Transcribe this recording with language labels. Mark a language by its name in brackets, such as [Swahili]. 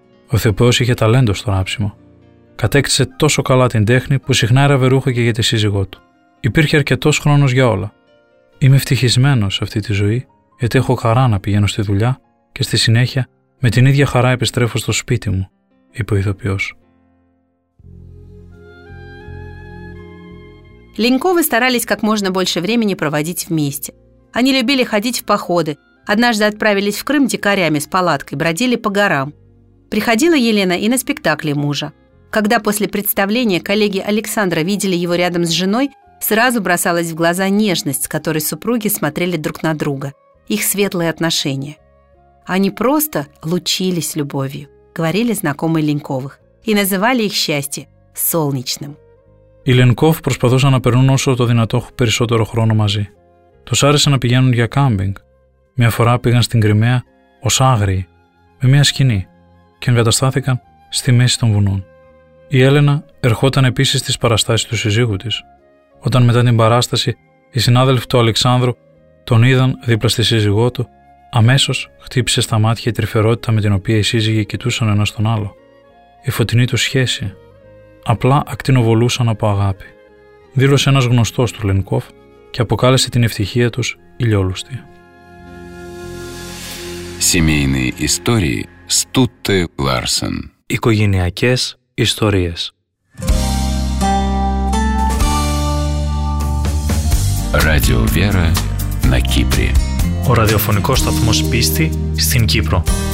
[Greek] Ο Θεοποιός είχε ταλέντο στο ράψιμο. Κατέκτησε τόσο καλά την τέχνη που συχνά έραβε ρούχα και για τη σύζυγό του. Υπήρχε αρκετός χρόνος για όλα. Είμαι ευτυχισμένος σε αυτή τη ζωή, γιατί έχω χαρά να πηγαίνω στη δουλειά και στη συνέχεια με την ίδια χαρά επιστρέφω στο σπίτι μου, είπε ο ηθοποιός. [Russian] Леньковы старались как можно больше времени проводить вместе. Они любили ходить в походы. Однажды отправились в Крым дикарями с палаткой, бродили по горам. Приходила Елена и на спектакли мужа. Когда после представления коллеги Александра видели его рядом с женой, сразу бросалась в глаза нежность, с которой супруги смотрели друг на друга, их светлые отношения. Они просто лучились любовью, говорили знакомые Леньковых, и называли их счастье солнечным. [Greek] Οι Λενκόφ προσπαθούσαν να περνούν όσο το δυνατό περισσότερο χρόνο μαζί. Τους άρεσε να πηγαίνουν για κάμπινγκ. Μια φορά πήγαν στην Κρυμαία ως άγριοι, με μια σκηνή, και εγκαταστάθηκαν στη μέση των βουνών. Η Έλενα ερχόταν επίσης στις παραστάσεις του συζύγου της, όταν μετά την παράσταση οι συνάδελφοι του Αλεξάνδρου τον είδαν δίπλα στη σύζυγό του, αμέσως χτύπησε στα μάτια η τρυφερότητα με την οποία οι σύζυγοι κοιτούσαν ένας τον άλλο. Η φωτεινή του σχέση. Απλά ακτινοβολούσαν από αγάπη, δήλωσε ένας γνωστός του Λενκόφ και αποκάλεσε την ευτυχία τους ηλιόλουστη. [Russian] Семейные истории Стутте Ларсен. [Greek] Οικογενειακές ιστορίες. [Russian] Radio Vera на Кипре. [Greek] Ο ραδιοφωνικός σταθμός πίστη στην Κύπρο.